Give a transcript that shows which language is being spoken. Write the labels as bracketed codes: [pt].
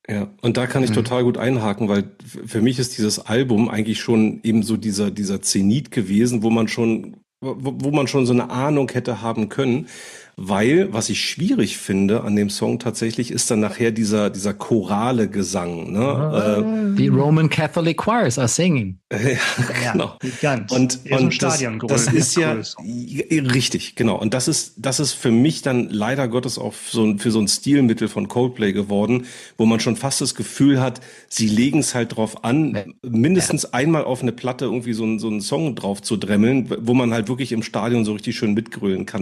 [de] Ja, und da kann ich total gut einhaken, weil für mich ist dieses Album eigentlich schon eben so dieser Zenit gewesen, wo man schon so eine Ahnung hätte haben können. Weil, was ich schwierig finde an dem Song tatsächlich, ist dann nachher dieser chorale Gesang. Ne? [en] The Roman Catholic Choirs are singing. [de] Genau. Ja, ganz. Und das ist ja richtig, genau. Und das ist für mich dann leider Gottes auch für so ein Stilmittel von Coldplay geworden, wo man schon fast das Gefühl hat, sie legen es halt drauf an, mindestens einmal auf eine Platte irgendwie so einen Song drauf zu dremmeln, wo man halt wirklich im Stadion so richtig schön mitgrölen kann.